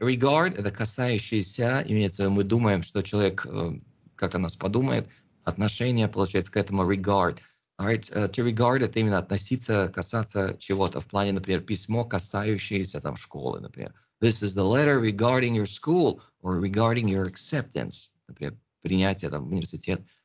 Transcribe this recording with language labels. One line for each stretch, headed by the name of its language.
Russian: Regard это касающееся, имеется в виду, мы думаем, что человек как о нас подумает, отношение получается к этому regard.
English: All right.
Russian: To regard это именно относиться, касаться чего-то в плане, например, письмо, касающееся там школы, например.
English: This is the letter regarding your school or regarding your acceptance.
Russian: Например, принятие там в университет.